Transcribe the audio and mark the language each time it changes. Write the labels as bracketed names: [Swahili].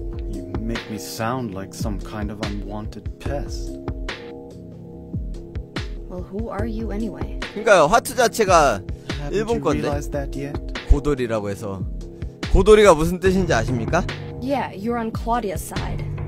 [English] You make me sound like some kind of unwanted pest. Well, who are you anyway? [Korean] 그러니까요, 화투 자체가 일본 건데 고돌이라고 해서 고돌이가 무슨 뜻인지 아십니까? [English] Yeah, you're on Claudia's side.